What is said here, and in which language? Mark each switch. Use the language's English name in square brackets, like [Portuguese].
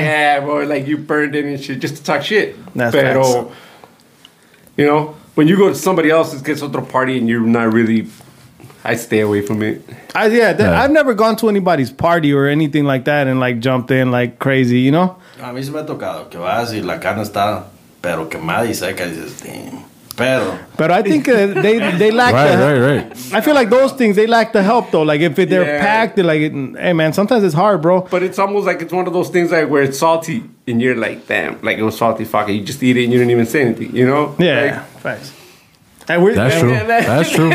[English] Yeah, bro, like you burned it and shit just to talk shit. That's but, you know, when you go to somebody else's, gets otro party and you're not really, I stay away from it. I've never gone to anybody's party or anything like that and like jumped in like crazy, you know? [Spanish] A mí se me ha tocado que vas y la carne está pero quemada y seca y dices, damn. [English] But I think they lack right. I feel like those things, they lack the help, though. Like, if they're packed, they're like, hey, man, sometimes it's hard, bro. But it's almost like it's one of those things like where it's salty, and you're like, damn, like, it was salty, fuck it. You just eat it, and you didn't even say anything, you know? Yeah, like, facts. That's true. That's true.